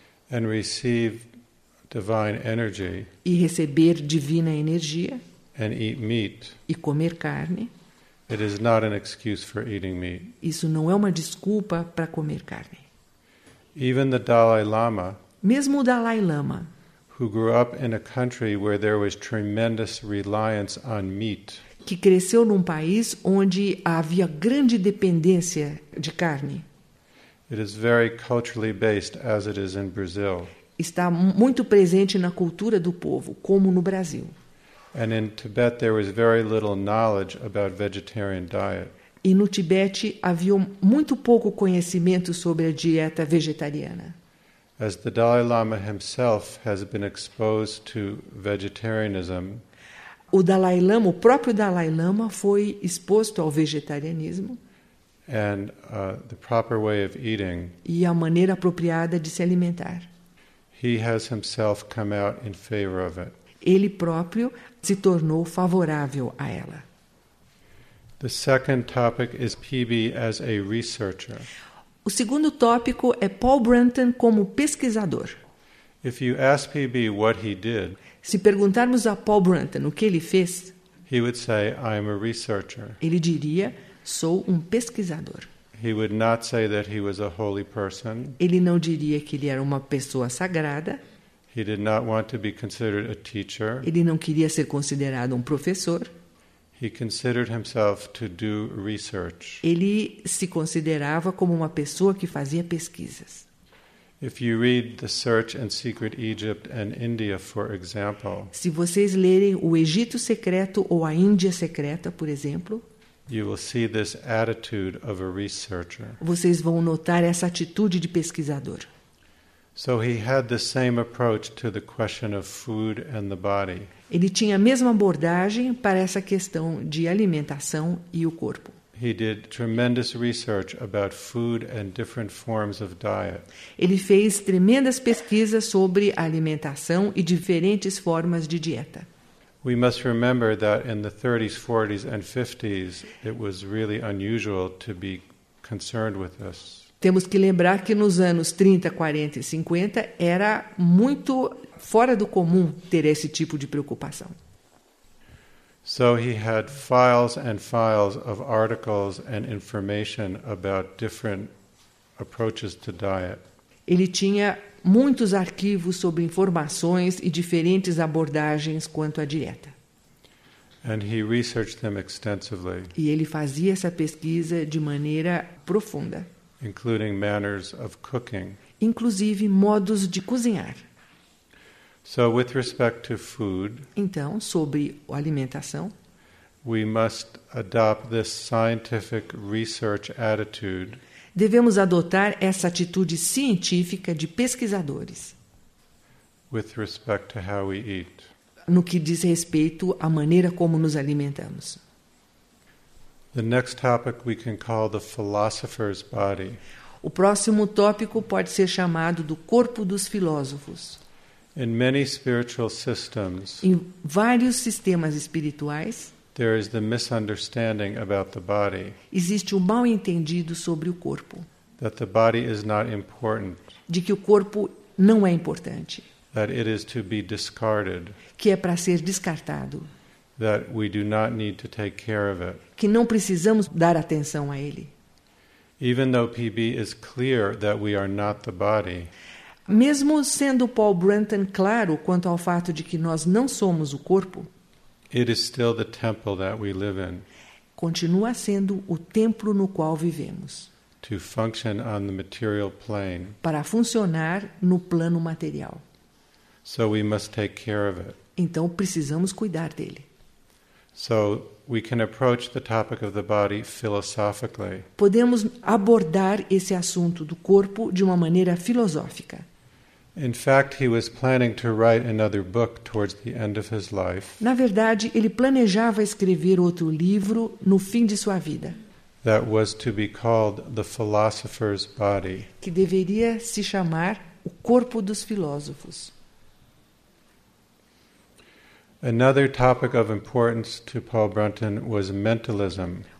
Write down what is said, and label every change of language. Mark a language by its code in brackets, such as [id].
[en] and receive divine energy, [pt] e receber divina energia, [en] and eat meat, [pt] e comer carne, [en] it is not an excuse for eating meat. [pt] Isso não é uma desculpa para comer carne. [en] Even the Dalai Lama, [pt] mesmo o Dalai Lama, [en] who grew up in a country where there was tremendous reliance on meat, [pt] que cresceu num país onde havia grande dependência de carne, [en] it is very culturally based, as it is in Brazil. [pt] Está muito presente na cultura do povo, como no Brasil. [en] And in Tibet, there was very little knowledge about vegetarian diet. [pt] E no Tibete havia muito pouco conhecimento sobre a dieta vegetariana. [en] As the Dalai Lama himself has been exposed to vegetarianism, [pt] o Dalai Lama, o próprio Dalai Lama, foi exposto ao vegetarianismo. [en] And the proper way of eating. [pt] E a maneira apropriada de se alimentar. [en] He has himself come out in favor of it. [pt] Ele próprio se tornou favorável a ela. [en] The second topic is PB as a researcher. [pt] O segundo tópico é Paul Branton como pesquisador. [en] If you ask PB what he did, [pt] se perguntarmos a Paul Branton o que ele fez, [en] he would say, "I am a researcher." [pt] Ele diria, sou um pesquisador. [en] He would not say that he was a holy person. [pt] Ele não diria que ele era uma pessoa sagrada. [en] He did not want to be considered a teacher. [pt] Ele não queria ser considerado um professor. [en] He considered himself to do research. [pt] Ele se considerava como uma pessoa que fazia pesquisas. [en] If you read The Search and Secret Egypt and India, for example, [pt] se vocês lerem O Egito Secreto ou A Índia Secreta, por exemplo, [en] you will see this attitude of a researcher. [pt] Vocês vão notar essa atitude de pesquisador. [en] So he had the same approach to the question of food and the body. [pt] Ele tinha a mesma abordagem para essa questão de alimentação e o corpo. [en] He did tremendous research about food and different forms of diet. [pt] Ele fez tremendas pesquisas sobre alimentação e diferentes formas de dieta. [en] We must remember that in the 30s, 40s and 50s it was really unusual to be concerned with this. [pt] Temos que lembrar que nos anos 30, 40 e 50 era muito fora do comum ter esse tipo de preocupação. [en] So he had files and files of articles and information about different approaches to diet. [pt] Ele tinha muitos arquivos sobre informações e diferentes abordagens quanto à dieta. [en] And he researched them extensively. [pt] E ele fazia essa pesquisa de maneira profunda. [en] Including manners of cooking. [pt] Inclusive modos de cozinhar. [en] So with respect to food, [pt] então, sobre a alimentação, [en] we must adopt this scientific research attitude. [pt] Devemos adotar essa atitude científica de pesquisadores. [en] With respect to how we eat. [pt] No que diz respeito à maneira como nos alimentamos. [en] The next topic we can call the philosopher's body. [pt] O próximo tópico pode ser chamado do corpo dos filósofos. [en] In many spiritual systems, [pt] em vários sistemas espirituais, [en] there is the misunderstanding about the body. [pt] Existe um mal entendido sobre o corpo. [en] That the body is not important. [pt] De que o corpo não é importante. [en] That it is to be discarded. [pt] Que é para ser descartado. [en] That we do not need to take care of it. [pt] Que não precisamos dar atenção a ele. [en] Even though PB is clear that we are not the body. [pt] Mesmo sendo Paul Branton claro quanto ao fato de que nós não somos o corpo, [en] it is still the temple that we live in. [pt] Continua sendo o templo no qual vivemos. [en] To function on the material plane. [pt] Para funcionar no plano material. [en] So we must take care of it. [pt] Então precisamos cuidar dele. [en] So we can approach the topic of the body philosophically. [pt] Podemos abordar esse assunto do corpo de uma maneira filosófica. [en] In fact, he was planning to write another book towards the end of his life. [pt] Na verdade, ele planejava escrever outro livro no fim de sua vida. [en] That was to be called The Philosopher's Body. [pt] Que deveria se chamar O Corpo dos Filósofos. [en] Another topic of importance to Paul Branton was mentalism.